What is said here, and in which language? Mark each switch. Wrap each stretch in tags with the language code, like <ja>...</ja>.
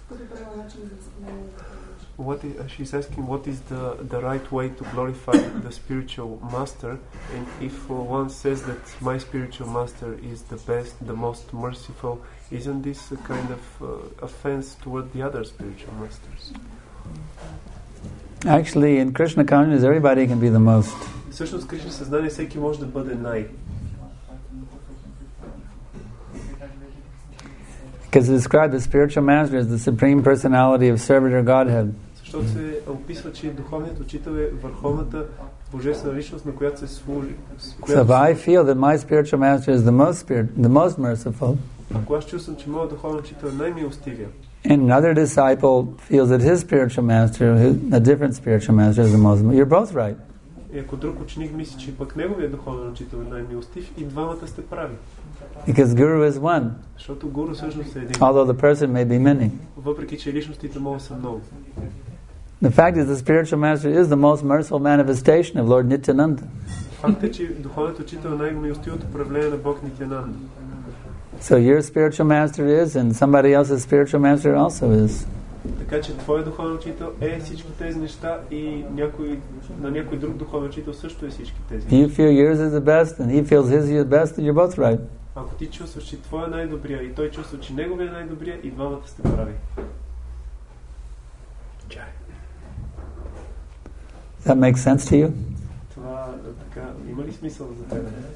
<en>What is, she's asking, what is the right way to glorify the spiritual master? And if one says that my spiritual master is the best, the most merciful, isn't this a kind of offense toward the other spiritual masters? Actually, in Krishna consciousness, everybody can be the most.</en> <bg>Всъщност, Кришна съзнание, всеки може да бъде най.</bg> <en>Because it describes the spiritual master as the supreme personality of servant or Godhead.</en> <bg>Защото се описва, че духовният учител е върховната божествена личност, на която се служи.</bg> <en>So if I feel that my spiritual master is the most merciful,</en> <bg>ако аз чувствам, че моят духовен учител е най-милостивия,</bg> <en>and another disciple feels that his spiritual master, a different spiritual master, is the most merciful, you're both right.</en> <bg>И ако друг ученик мисли, че пък неговият духовен учител е най-милостив, и двамата сте прави.</bg> <en>Because guru is one.</en> <bg>Защото гуру всъщност е един.</bg> <en>Although the person may be many.</en> <bg>Въпреки че личностите могат са много.</bg> <en>The fact is the spiritual master is the most merciful manifestation of Lord Nityananda.</en> <bg>Факт е, че духовният учител е най-милостивото проявление на Бог Нитянанда.</bg> <en>So your spiritual master is, and somebody else's spiritual master also is.</en> <bg>Така че твой духовен учител е всички тези неща и някой, на някой друг духовен учител също е всички тези.</bg> <en>You feel yours is the best and he feels his is the best, you're both right.</en> <bg>Ако ти чувстваш, че твой е най-добрия и той чувства, че неговия е най-добрия, и двамата сте прави. Чай.</bg> <en>That makes sense to you?</en> <bg>Това така, има ли смисъл за теб?</bg>